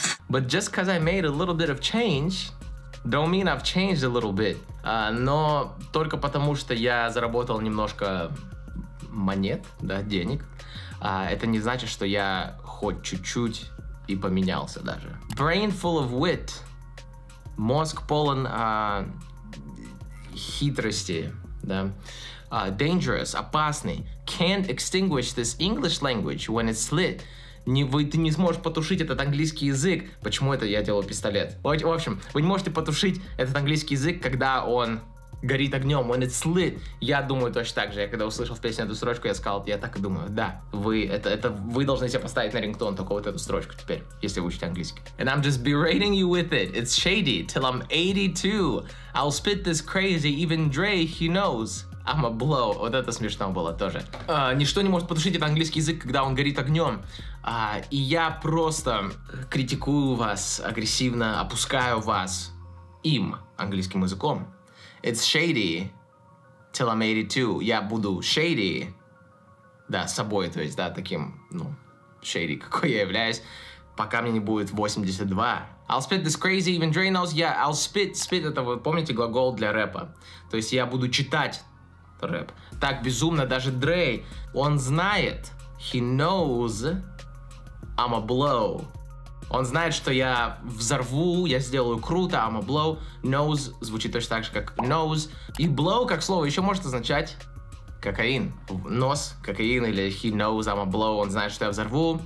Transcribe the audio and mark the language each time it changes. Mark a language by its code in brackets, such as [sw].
[en] But just because I made a little bit of change, don't mean I've changed a little bit. [ru] Но только потому, что я заработал немножко монет, да, денег, это не значит, что я хоть чуть-чуть и поменялся даже. [en] Brain full of wit. [ru] Мозг полон хитрости, да. Dangerous, опасный. [en] Can't extinguish this English language when it's lit. [ru] Ты не сможешь потушить этот английский язык. Почему это я делаю пистолет? В общем, вы не можете потушить этот английский язык, когда он горит огнем. [en] When it's lit. [ru] Я думаю точно так же. Я когда услышал в песне эту строчку, я сказал, я так и думаю. Да, вы должны себе поставить на рингтон только вот эту строчку теперь, если вы учите английский. [en] And I'm just berating you with it. It's shady till I'm 82. I'll spit this crazy, even Dre, he knows. I'm a blow. [ru] Вот это смешно было тоже. Ничто не может потушить этот английский язык, когда он горит огнем. И я просто критикую вас агрессивно, опускаю вас им, английским языком. [en] It's shady till I'm 82. [ru] Я буду shady, да, собой, то есть, да, таким, ну, shady, какой я являюсь, пока мне не будет 82. [en] I'll spit this crazy, even Dre knows. Yeah, I'll spit, [ru] это, вы помните, глагол для рэпа. То есть я буду читать рэп. Так безумно, даже Dre, он знает, [en] he knows, I'm a blow. [ru] Он знает, что я взорву, я сделаю круто, [en] I'm a blow. [ru] Nose звучит точно так же, как nose. И blow, как слово, еще может означать кокаин. Нос, кокаин, или he knows, I'm a blow, он знает, что я взорву.